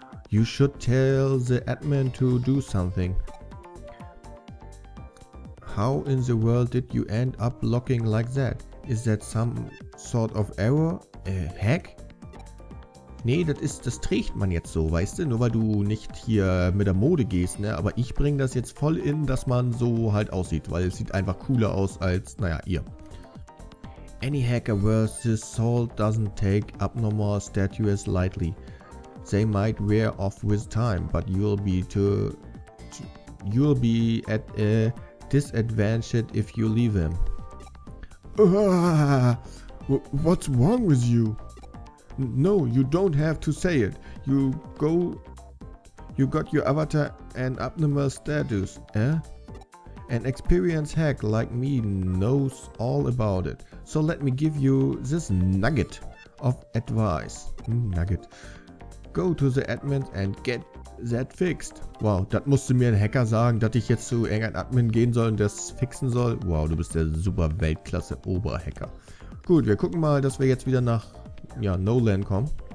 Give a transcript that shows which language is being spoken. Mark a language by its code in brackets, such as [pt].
[en] You should tell the admin to do something. How in the world did you end up locking like that? Is that some sort of error? Hack? [de] Nee, das trägt man jetzt so, weißt du? Nur weil du nicht hier mit der Mode gehst, ne? Aber ich bringe das jetzt voll in, dass man so halt aussieht, weil es sieht einfach cooler aus als, naja, ihr. [en] Any hacker worth his salt doesn't take abnormal status lightly. They might wear off with time, but you'll be at a disadvantage if you leave him. What's wrong with you? No, you don't have to say it. You got your avatar and abnormal status, eh? An experienced hack like me knows all about it. So let me give you this nugget of advice. Nugget. Go to the admin and get that fixed. [de] Wow, das musste mir ein Hacker sagen, dass ich jetzt zu irgendeinem Admin gehen soll und das fixen soll. Wow, du bist der super Weltklasse Oberhacker. Gut, wir gucken mal, dass wir jetzt wieder nach, ja, Noland kommen.